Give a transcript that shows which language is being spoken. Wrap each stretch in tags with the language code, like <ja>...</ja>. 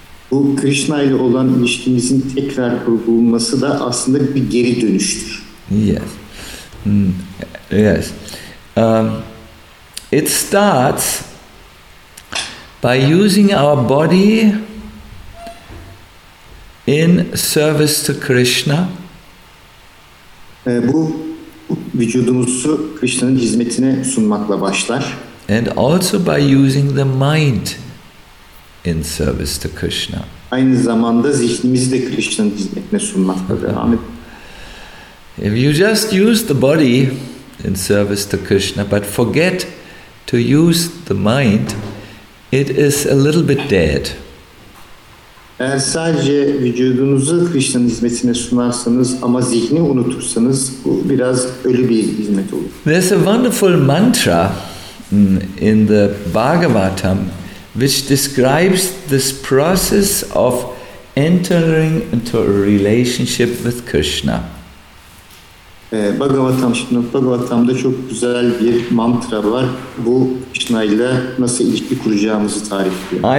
<tr>Bu Krishna ile olan ilişkimizin tekrar kurulması da aslında bir geri dönüştür.</tr> <en>Yes. Yes. It starts by using our body in service to Krishna.</en> <tr>Bu vücudumuzu Krishna'nın hizmetine sunmakla başlar.</tr> <en>And also by using the mind in service to Krishna.</en> <tr>Aynı zamanda zihnimizi de Krishna'nın hizmetine sunmakla devam eder.</tr> <en>If you just use the body in service to Krishna but forget to use the mind, it is a little bit dead.</en> <tr>Eğer sadece vücudunuzu Krishna'nın hizmetine sunarsanız ama zihni unutursanız bu biraz ölü bir hizmet olur.</tr> <en>There's a wonderful mantra in the Bhagavatam which describes this process of entering into a relationship with Krishna.</en> <tr>Bhagavatam'da çok güzel bir mantra var. Bu Krishna ile nasıl ilişki kuracağımızı tarif ediyor.</tr>